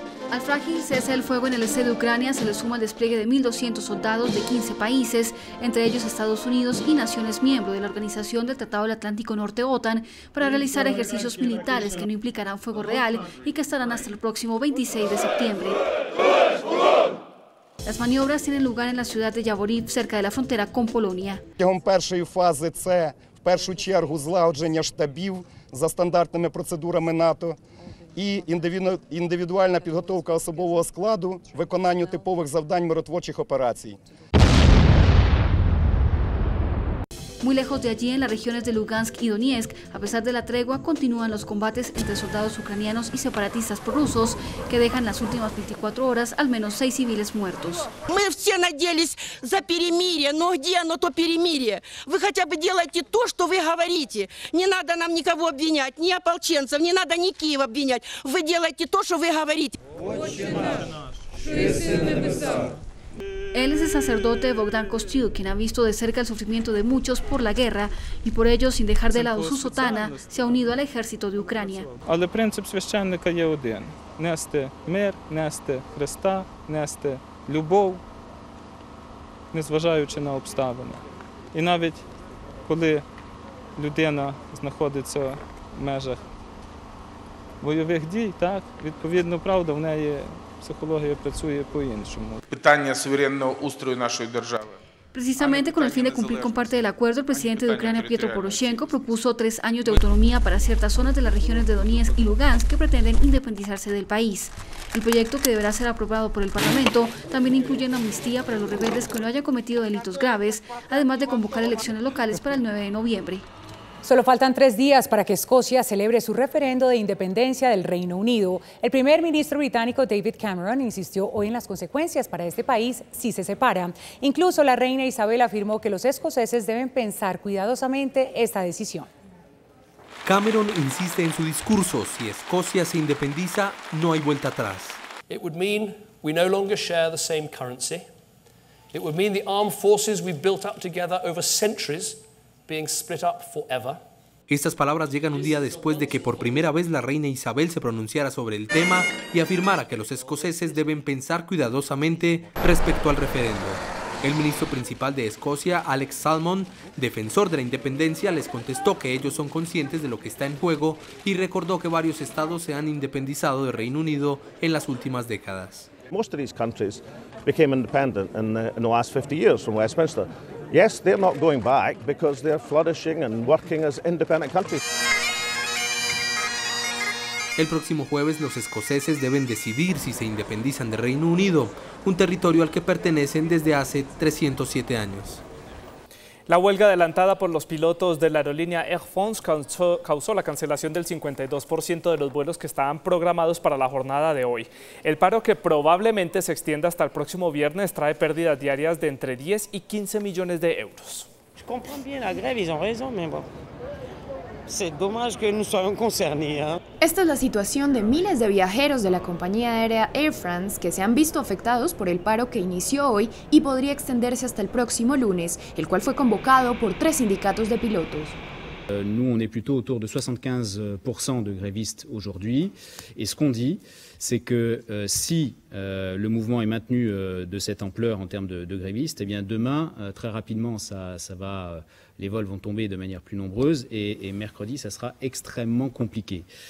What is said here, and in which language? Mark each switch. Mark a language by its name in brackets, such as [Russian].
[Spanish] Al frágil cese el fuego en el este de Ucrania se le suma el despliegue de 1.200 soldados de 15 países, entre ellos Estados Unidos y naciones miembros de la Organización del Tratado del Atlántico Norte, OTAN, para realizar ejercicios militares que no implicarán fuego real y que estarán hasta el próximo 26 de septiembre. Las maniobras tienen lugar en la ciudad de Yavoriv, cerca de la frontera con Polonia. En la primera fase, [Ukrainian] стандартними процедурами НАТО і індивідуальна підготовка особового складу виконанню типових завдань миротворчих операцій. [Spanish] Muy lejos de allí, en las regiones de Lugansk y Donetsk, a pesar de la tregua, continúan los combates entre soldados ucranianos y separatistas prorrusos, que dejan las últimas 24 horas al menos 6 civiles muertos. [Russian] Мы все надеялись за перемирие, но где оно то перемирие? Вы хотя бы делайте то, что вы говорите. Не надо нам никого обвинять, ни ополченцев, не надо ни Киев обвинять. Вы делайте то, что вы говорите. Отче наш, что есть на небесах. [Spanish] Él es el sacerdote Bogdan Kostyuk, quien ha visto de cerca el sufrimiento de muchos por la guerra y por ello, sin dejar de lado su sotana, se ha unido al ejército de Ucrania. [Ukrainian] Але принцип священника є один: нести мир, нести Христа, нести любов, незважаючи на обставини. І навіть коли людина знаходиться в межах бойових дій, так, відповідно, правда, в неї психологія працює по-іншому. Питання суверенного устрою нашої держави. [Spanish] Precisamente con el fin de cumplir con parte del acuerdo, el presidente de Ucrania, Pietro Poroshenko, propuso 3 años de autonomía para ciertas zonas de las regiones de Donetsk y Lugansk que pretenden independizarse del país. El proyecto, que deberá ser aprobado por el Parlamento, también incluye una amnistía para los rebeldes que no hayan cometido delitos graves, además de convocar elecciones locales para el 9 de noviembre. Solo faltan 3 días para que Escocia celebre su referendo de independencia del Reino Unido. El primer ministro británico David Cameron insistió hoy en las consecuencias para este país si se separa. Incluso la reina Isabel afirmó que los escoceses deben pensar cuidadosamente esta decisión. Cameron insiste en su discurso: si Escocia se independiza, no hay vuelta atrás. [English] It would mean we no longer share the same currency. It would mean the armed forces we've built up together over centuries being split up forever. [Spanish] Estas palabras llegan un día después de que por primera vez la reina Isabel se pronunciara sobre el tema y afirmara que los escoceses deben pensar cuidadosamente respecto al referendo. El ministro principal de Escocia, Alex Salmond, defensor de la independencia, les contestó que ellos son conscientes de lo que está en juego y recordó que varios estados se han independizado del Reino Unido en las últimas décadas. [English] Most of these countries became independent in the last 50 years from Westminster. Yes, they're not going back because they're flourishing and working as independent countries. [Spanish] El próximo jueves los escoceses deben decidir si se independizan del Reino Unido, un territorio al que pertenecen desde hace 307 años. La huelga adelantada por los pilotos de la aerolínea Air France causó la cancelación del 52% de los vuelos que estaban programados para la jornada de hoy. El paro, que probablemente se extienda hasta el próximo viernes, trae pérdidas diarias de entre 10 y 15 millones de euros. [French] Je comprends bien la grève, ils ont raison, mais bon. C'est dommage que nous soyons concernés, hein. [Spanish] Esta es la situación de miles de viajeros de la compañía aérea Air France que se han visto afectados por el paro que inició hoy y podría extenderse hasta el próximo lunes, el cual fue convocado por 3 sindicatos de pilotos. [French] Nous on est plutôt autour de 75% de grévistes aujourd'hui et ce qu'on dit c'est que si le mouvement est maintenu de cette ampleur en termes de grévistes, eh bien demain très rapidement ça va les vols vont tomber de manière plus nombreuse et mercredi ça sera extrêmement compliqué.